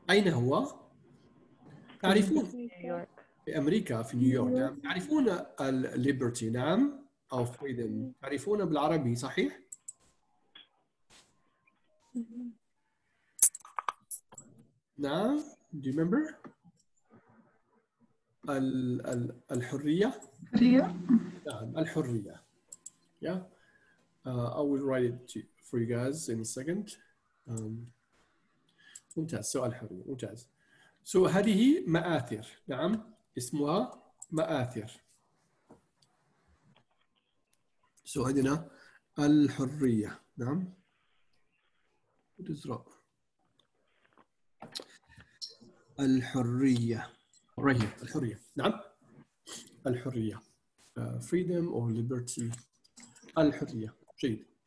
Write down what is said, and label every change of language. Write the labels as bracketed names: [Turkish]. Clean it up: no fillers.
[Arabic] أين هو؟ تعرفون في أمريكا في نيويورك. نعم. تعرفون ال Liberty نعم أو Freedom. تعرفون بالعربي صحيح؟ نعم. [English] Do you remember؟ [Arabic] ال الحرية. حرية. نعم. الحرية. [English] Yeah. I will write it for you guys in a second. [Arabic] ممتاز سؤال حلو ممتاز. So هذه مآثر نعم اسمها مآثر. So عندنا الحرية نعم. الأزرق الحرية [English] right here [Arabic] الحرية نعم الحرية [English] freedom or liberty [Arabic] الحرية جيد.